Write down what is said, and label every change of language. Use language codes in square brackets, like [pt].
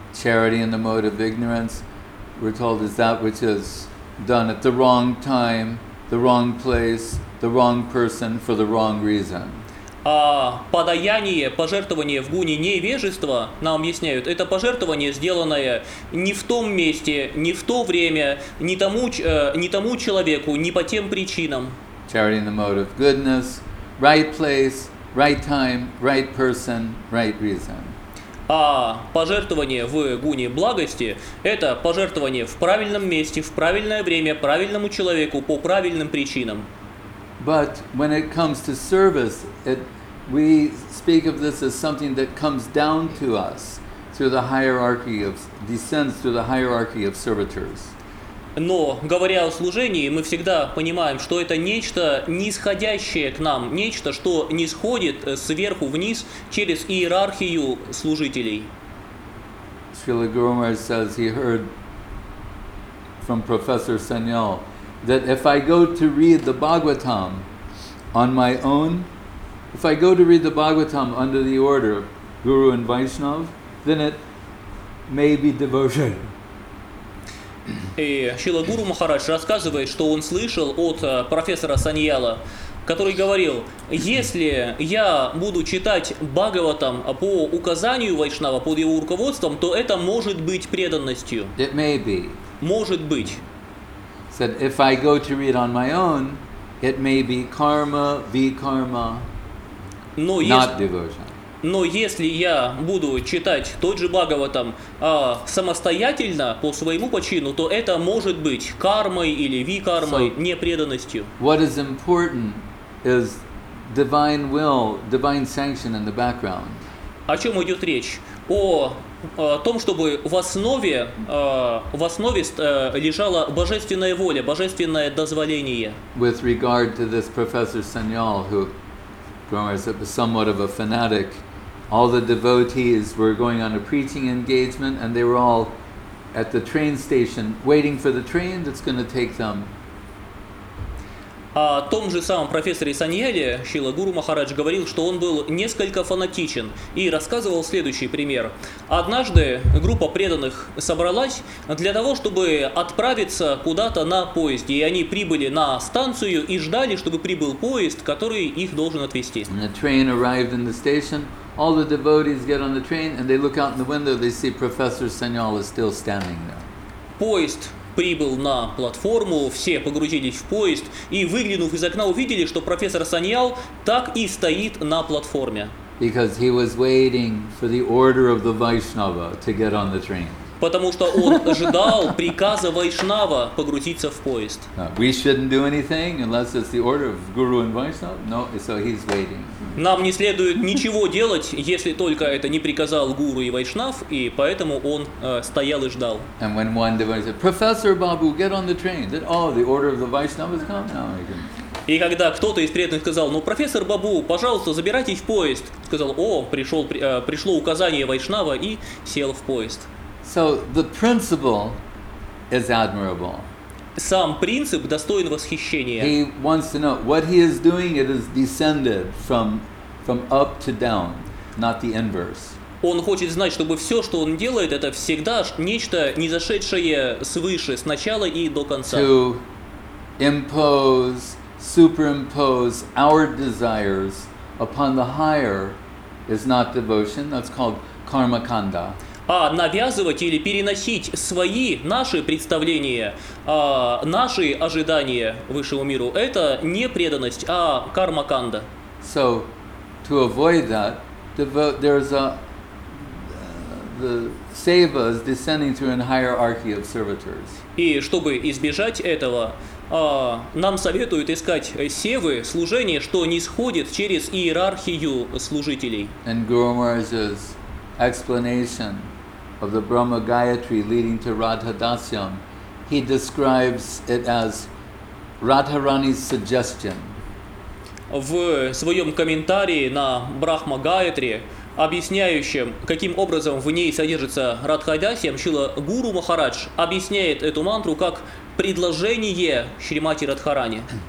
[en] Charity in the mode of ignorance, we're told, is that which is done at the wrong time, the wrong place, the wrong person for the wrong reason. [ru] А подаяние, пожертвование в гуне невежества, нам объясняют, это пожертвование, сделанное не в том месте, не в то время, не тому человеку, не по тем причинам. [en] Charity in the mode of goodness, right place, right time, right person, right reason. [ru] А пожертвование в гуне благости, это пожертвование в правильном месте, в правильное время, правильному человеку, по правильным причинам. [en] But when it comes to service, we speak of this as something that comes down to us through the hierarchy of descends through the hierarchy of servitors. [ru] Но говоря о служении, мы всегда понимаем, что это нечто нисходящее к нам, нечто, что нисходит сверху вниз через иерархию служителей. [en] Srila Guru Maharaj says he heard from Professor Sanyal that if I go to read the Bhagavatam on my own, if I go to read the Bhagavatam under the order of Guru and Vaishnav, then it may be devotion. [ru] И Шрила Гуру Махарадж рассказывает, что он слышал от профессора Саньяла, который говорил, если я буду читать Бхагаватам по указанию Вайшнава, под его руководством, то это может быть преданностью. [en] It may be. [ru] Может быть. [en] Said, if I go to read on my own, it may be karma, vikarma, not devotion. [ru] Но если я буду читать тот же Бхагаватам самостоятельно, по своему почину, то это может быть кармой или викармой, so, непреданностью. [en] What is important is divine will, divine sanction in the background. [ru] О чем идет речь? О том, чтобы в основе лежала божественная воля, божественное дозволение. [en] With regard to this Professor Sanyal, who was somewhat of a fanatic, all the devotees were going on a preaching engagement, and they were all at the train station waiting for the train that's going to take them. [ru] О том же самом профессоре Саньяле Шрила Гуру Махарадж говорил, что он был несколько фанатичен и рассказывал следующий пример. Однажды группа преданных собралась для того, чтобы отправиться куда-то на поезде, и они прибыли на станцию и ждали, чтобы прибыл поезд, который их должен отвезти. [en] When the train arrived in the station, all the devotees get on the train and they look out in the window, they see Professor Sanyal is still standing there. [ru] Поезд прибыл на платформу, все погрузились в поезд и, выглянув из окна, увидели, что профессор Саньял так и стоит на платформе. [en] Because he was waiting for the order of the Vaishnava to get on the train. [ru] Потому что он ожидал приказа Вайшнава погрузиться в поезд. [en] We shouldn't do anything unless it's the order of Guru and Vaishnava. No, so he's waiting. [ru] Нам не следует ничего делать, если только это не приказал Гуру и Вайшнав, и поэтому он стоял и ждал. [en] And when one devotee said, Professor Babu, get on the train. Then, oh, the order of the Vaishnava has come? No, he didn't. [ru] И когда кто-то из преданных сказал, ну, профессор Бабу, пожалуйста, забирайтесь в поезд. Сказал, о, пришло указание Вайшнава и сел в поезд. [en] So the principle is admirable. [ru] Сам принцип достоин восхищения. [en] He wants to know what he is doing. It is descended from up to down, not the inverse. [ru] Он хочет знать, чтобы все, что он делает, это всегда нечто низошедшее свыше, сначала и до конца. [en] To impose, superimpose our desires upon the higher is not devotion. That's called karmakanda. [ru] А навязывать или переносить свои, наши представления, наши ожидания высшему миру – это не преданность, а карма-канда. [en] So, to avoid that, there's the seva is descending through an hierarchy of servitors. [ru] И чтобы избежать этого, нам советуют искать севы, служение, что нисходит через иерархию служителей. [en] And Guru Maharaj's explanation of the Brahma Gayatri leading to Radha Dasyam, he describes it as Radharani's suggestion. [ru] В своем комментарии на Брахма Гаятри, объясняющем, каким образом в ней содержится Радха Дасьям, Шрила Гуру Махарадж объясняет эту мантру как предложение Шримати Радхарани.